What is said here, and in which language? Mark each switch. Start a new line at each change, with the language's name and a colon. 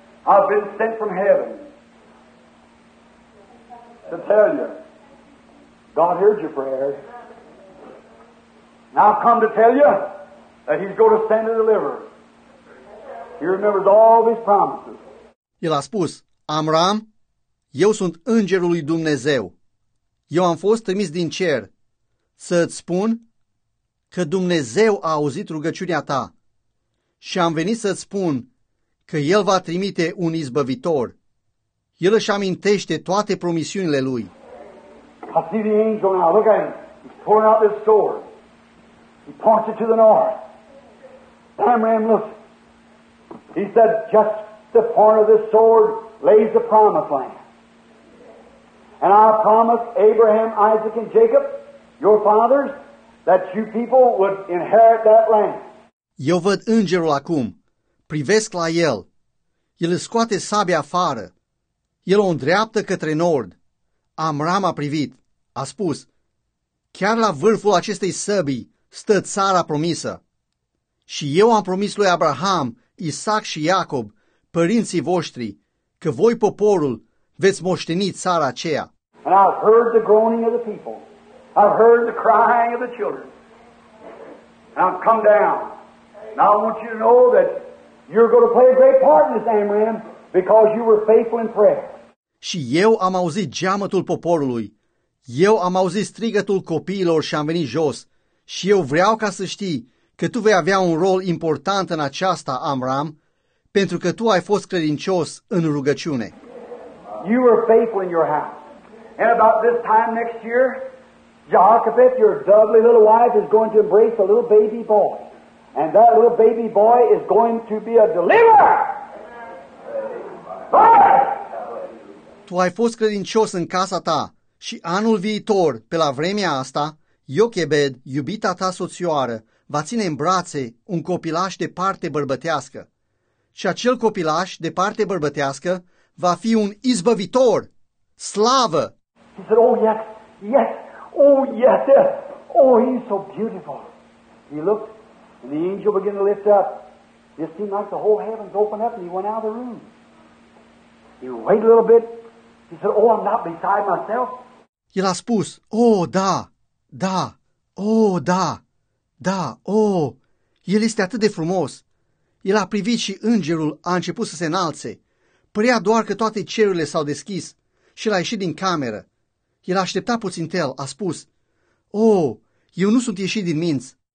English: I've been sent from heaven to tell you, God heard your prayer. Now I've come to tell you that he's going to send a deliverer. He remembers all his promises.
Romanian: El a spus, Amram, eu sunt îngerul lui Dumnezeu. Eu am fost trimis din cer să-ți spun că Dumnezeu a auzit rugăciunea ta și am venit să-ți spun că El va trimite un izbăvitor. El își amintește toate promisiunile Lui.
English: I see the angel now. Look at him. He's pulling out this sword. He points it to the north. Amram, look. He said, just the point of this sword lays the promised land. And I promise Abraham, Isaac, and Jacob, your fathers, that you people would inherit that land.
Romanian: Eu văd îngerul acum. Privesc la el. El își scoate sabia afară. El o îndreaptă către nord. Amram a privit. A spus, chiar la vârful acestei săbii, stă țara promisă. Și eu am promis lui Abraham, Isaac și Iacob, părinții voștri, că voi, poporul, veți moșteni țara aceea.
English: And I've heard the groaning of the people. I've heard the crying of the children. And I've come down. Now I want you to know that you're going to play a great part in this, Amram, because you were faithful in prayer.
Romanian: Și eu am auzit geamătul poporului. Eu am auzit strigătul copiilor și am venit jos. Și eu vreau ca să știi că tu vei avea un rol important în aceasta, Amram, pentru că tu ai fost credincios în rugăciune.
English: You were faithful in your house. And about this time next year, Jehoshaphat, your lovely little wife, is going to embrace a little baby boy. And that little baby boy is going to be a deliverer!
Romanian: Tu ai fost credincios în casa ta și anul viitor, pe la vremea asta, Iochebed, iubita ta soțioară, va ține în brațe un copilaș de parte bărbătească. Și acel copilaș de parte bărbătească va fi un izbăvitor! Slavă!
English: He said, oh yes, yes, oh yes, oh he's so beautiful. He looked and the angel began to lift up. It seemed like the whole heavens opened up and he went out of the room. He waited a little bit. He said, oh, I'm not beside myself.
Romanian: El a spus, oh da, da, oh da, da, oh, el este atât de frumos. El a privit și îngerul a început să se înalțe. Părea doar că toate cerurile s-au deschis și l-a ieșit din cameră. El a așteptat puțin tel, a spus, oh, eu nu sunt ieșit din minți.